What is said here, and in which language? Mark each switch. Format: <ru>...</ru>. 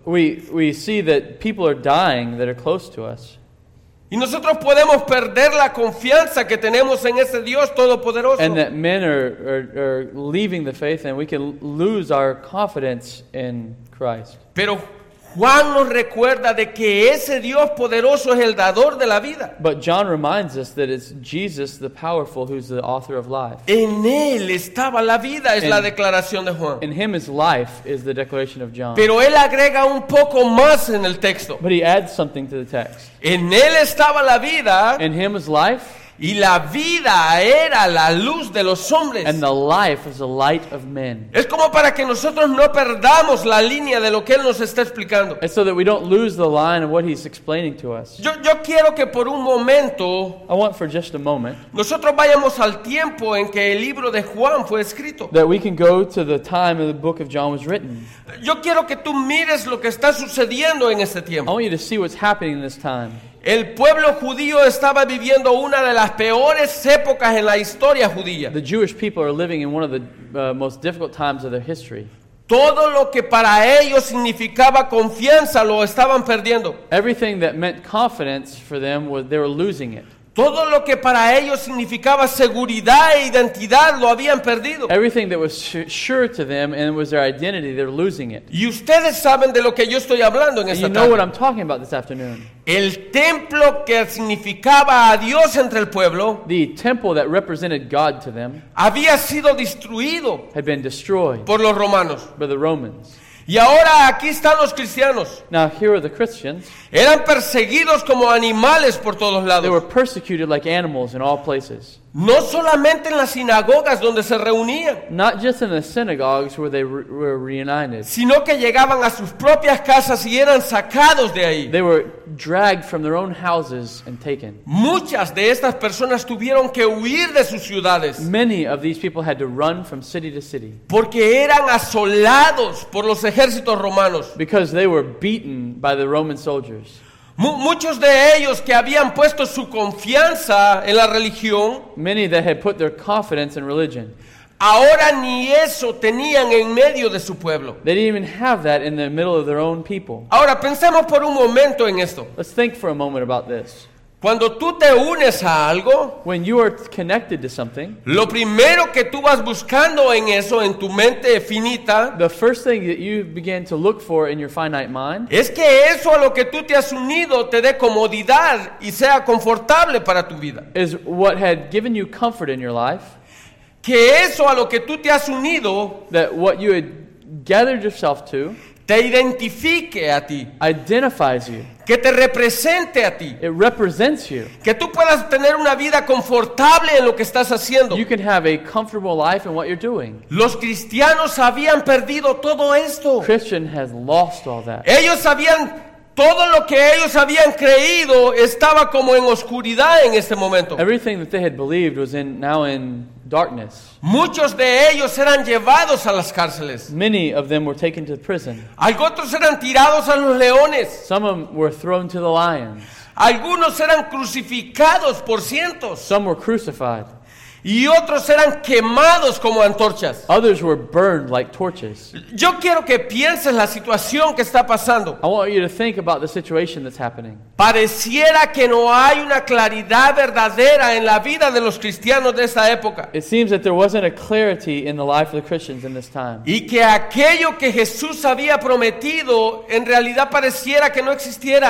<en>We see that people are dying that are close to us.</en> <es>Y nosotros podemos perder la confianza que tenemos en ese Dios todopoderoso.</es> <en>And that men are leaving the faith, and we can lose our confidence in Christ.</en> <es>Pero Juan nos recuerda de que ese Dios poderoso es el dador de la vida.</es> <en>But John reminds us that it's Jesus the powerful who's the author of life.</en> <es>En él estaba la vida, es la declaración de Juan.</es> <en>In him is life, is the declaration of John.</en> <es>Pero él agrega un poco más en el texto.</es> <en>But he adds something to the text.</en> <es>En él estaba la vida.</es> <en>In him is life.</en> <es>Y la vida era la luz de los hombres.</es> <en>And the life is the light of men.</en> <es>Es como para que nosotros no perdamos la línea de lo que él nos está explicando.</es> <en>And so that we don't lose the line of what he's explaining to us.</en> <es>Yo quiero que por un momento,</es> <en>I want for just a moment,</en> <es>nosotros vayamos al tiempo en que el libro de Juan fue escrito.</es> <en>That we can go to the time of the book of John was written.</en> <es>Yo quiero que tú mires lo que está sucediendo en este tiempo.</es> <en>I want you to see what's happening in this time.</en> <es>El pueblo judío estaba viviendo una de las peores épocas en la historia judía.</es> <en>The Jewish people are living in one of the most difficult times of their history.</en> <es>Todo lo que para ellos significaba confianza lo estaban perdiendo.</es> <en>Everything that meant confidence for them, they were losing it.</en> <es>Todo lo que para ellos significaba seguridad e identidad lo habían perdido.</es> <en>Everything that was sure to them and was their identity, they're losing it.</en> <es>Y ustedes saben de lo que yo estoy hablando en esta tarde.</es> <en>You know what I'm talking about this afternoon.</en> <es>El templo que significaba a Dios entre el pueblo,</es> <en>the temple that represented God to them,</en> <es>había sido destruido,</es> <en>had been destroyed,</en> <es>por los romanos,</es> <en>by the Romans.</en> <es>Y ahora aquí están los cristianos.</es> <en>Now here are the Christians.</en> <es>Eran perseguidos como animales por todos lados.</es> <en>They were persecuted like animals in all places.</en> <es>No solamente en las sinagogas donde se reunían.</es> <en>Not just in the synagogues where they were reunited.</en> <es>Sino que llegaban a sus propias casas y eran sacados de ahí.</es> <en>They were dragged from their own houses and taken.</en> <es>Muchas de estas personas tuvieron que huir de sus ciudades.</es> <en>Many of these people had to run from city to city.</en> <es>Porque eran asolados por los ejércitos romanos.</es> <en>Because they were beaten by the Roman soldiers.</en> <es>Muchos de ellos que habían puesto su confianza en la religión,</es> <en>many that had put their confidence in religion,</en> <es>ahora ni eso tenían en medio de su pueblo.</es> <en>They didn't even have that in the middle of their own people.</en> <es>Ahora pensemos por un momento en esto.</es> <en>Let's think for a moment about this.</en> <es>Cuando tú te unes a algo,</es> <en>when you are connected to something,</en> <es>lo primero que tú vas buscando en eso, en tu mente finita,</es> <en>the first thing that you begin to look for in your finite mind,</en> <es>es que eso a lo que tú te has unido te dé comodidad y sea confortable para tu vida.</es> <en>Is what had given you comfort in your life.</en> <es>Que eso a lo que tú te has unido,</es> <en>that what you had gathered yourself to,</en> <es>te identifique a ti.</es> <en>Identifies you.</en> <es>Que te represente a ti.</es> <en>It represents you.</en> <es>Que tú puedas tener una vida confortable en lo que estás haciendo.</es> <en>You can have a comfortable life in what you're doing.</en> <es>Los cristianos habían perdido todo esto.</es> <en>Christian has lost all that.</en> <es>Ellos habían, todo lo que ellos habían creído estaba como en oscuridad en este momento.</es> <en>Everything that they had believed was now in darkness.</en> <es>Muchos de ellos eran llevados a las cárceles.</es> <en>Many of them were taken to prison.</en> <es>Algunos eran tirados a los leones.</es> <en>Some of them were thrown to the lions.</en> <es>Algunos eran crucificados por cientos.</es> <en>Some were crucified.</en> <es>Y otros eran quemados como antorchas.</es> <en>Others were burned like torches.</en> <es>Yo quiero que pienses la situación que está pasando.</es> <en>I want you to think about the situation that's happening.</en> <es>Pareciera que no hay una claridad verdadera en la vida de los cristianos de esta época.</es> <en>It seems that there wasn't a clarity in the life of the Christians in this time.</en> <es>Y que aquello que Jesús había prometido en realidad pareciera que no existiera.</es>